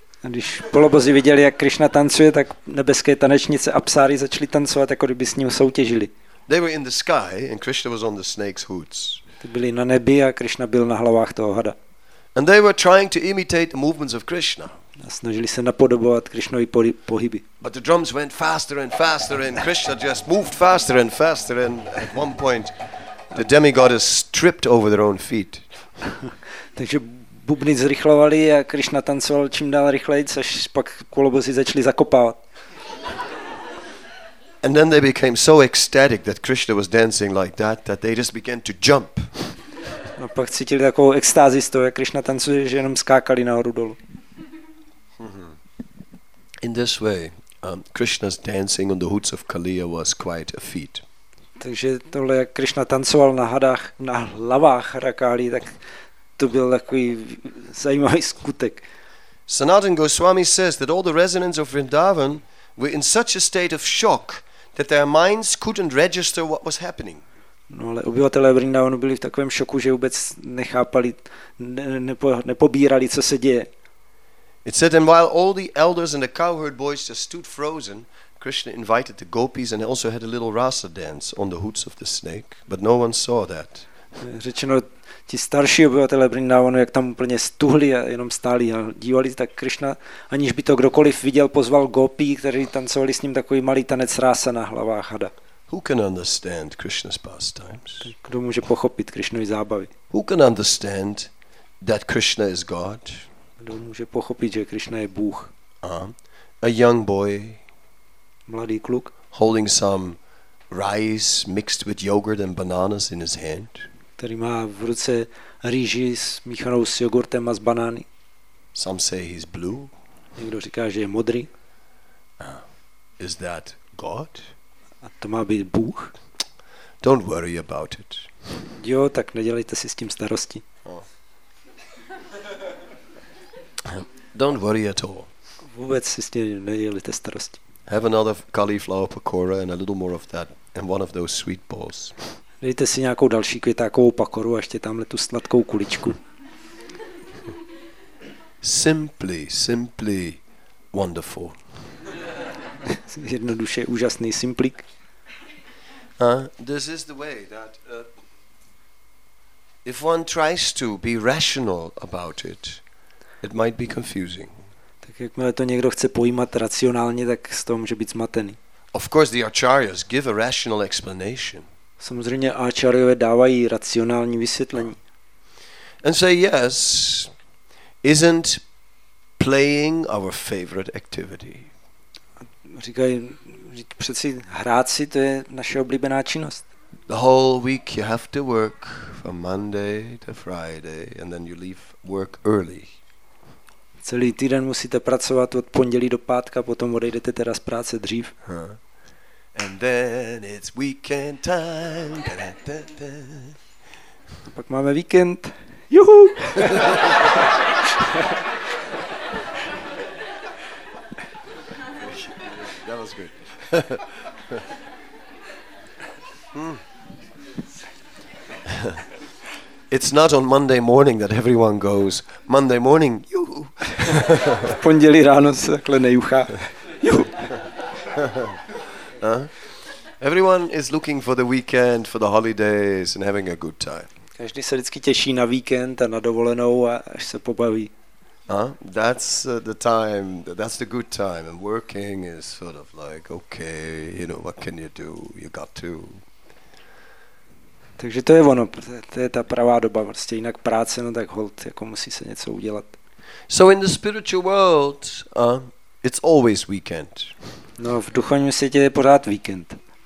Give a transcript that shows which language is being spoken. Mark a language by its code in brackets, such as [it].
[cs] A když polobozy viděli, jak Krishna tancuje, tak nebeské tanečnice apsary začaly tancovat, jako kdyby s ním soutěžili. [en] They were in the sky and Krishna was on the snake's hoots. [cs] Ty byli na nebi a Krishna byl na hlavách toho hada. [en] And they were trying to imitate the movements of Krishna. [cs] A snažili se napodobovat Krishnovy pohyby. [en] But the drums went faster and faster and Krishna just moved faster and faster, and at one point the demigoddess tripped over their own feet. [cs] Takže bubny zrychlovali a Krishna tancoval čím dál rychleji, až pak kolobozy začali zakopávat. [en] And then they became so ecstatic that Krishna was dancing like that, that they just began to jump. [cs] No pak cítili takovou extázi z toho, jak Krishna tancuje, že jenom skákali nahoru dolů. [en] In this way, Krishna's dancing on the hoots of Kaliya was quite a feat. [cs] Takže tohle, jak Krishna tancoval na hadách, na hlavách Rakali, tak to byl takový zajímavý skutek. [en] Sanatan Goswami says that all the residents of Vrindavan were in such a state of shock that their minds couldn't register what was happening. [cs] No ale obyvatelé Vrindavanu byli v takovém šoku, že vůbec nechápali, nepobírali, co se děje. [en] It said, and while all the elders and the cowherd boys just stood frozen, Krishna invited the gopis and also had a little rasa dance on the hoots of the snake, but no one saw that. [cs] Řečeno, ti starší obyvatelé Vrindavanu, jak tam úplně stuhli a jenom stáli a dívali, tak Krishna, aniž by to kdokoliv viděl, pozval gopí, kteří tancovali s ním takový malý tanec rasa na hlavách hada. [en] Who can understand Krishna's pastimes? [cs] Kdo může pochopit Krishnovy zábavy? [en] Who can understand that Krishna is God? [cs] Kdo může pochopit, že Krishna je Bůh? [en] A young boy, [cs] mladý kluk, [en] holding some rice mixed with yogurt and bananas in his hand, [cs] který má v ruce rýži smíchanou s jogurtem a s banány. [en] Some say he's blue. [cs] Někdo říká, že je modrý. [en] Is that God? [cs] A to má být Bůh? [en] Don't worry about it. [cs] Jo, tak nedělejte si s tím starosti. [en] Don't worry at all. [cs] Vůbec si s tím nedělejte starosti. [en] Have another cauliflower pakora and a little more of that and one of those sweet balls. [cs] Dejte si nějakou další květákovou pakoru a ještě tamhle tu sladkou kuličku. [en] Simply wonderful. [cs] Jednoduše úžasný simplik. [en] This is the way that if one tries to be rational about it, it might be confusing. [cs] Tak jakmile to někdo chce pojímat racionálně, tak z toho může být zmatený. [en] Of course the acharyas give a rational explanation. [cs] Samozřejmě acharyové dávají racionální vysvětlení. [en] And say yes, isn't playing our favorite activity. [cs] Říkají, přeci hrát si, to je naše oblíbená činnost. [en] The whole week you have to work from Monday to Friday and then you leave work early. [cs] Celý týden musíte pracovat od pondělí do pátka, potom odejdete teda z práce dřív. [en] And then it's weekend time. Da-da-da-da. [cs] A pak máme víkend. Juhu! [en] That was good. It's not on Monday morning that everyone goes. Monday morning, juhu. [cs] V pondělí ráno se takhle nejuchá. Juhu. [en] Everyone is looking for the weekend, for the holidays and having a good time. [cs] Každý se vždycky těší na víkend a na dovolenou a až se pobaví. [en] That's the time, that's the good time. And working is sort of like, okay, you know, what can you do? You got to. [cs] Takže to je ono, to je ta pravá doba, prostě jinak práce, no tak hold, jako musí se něco udělat. [en] So in the spiritual world, it's always weekend. [cs] No, v duchovním světě je pořád víkend.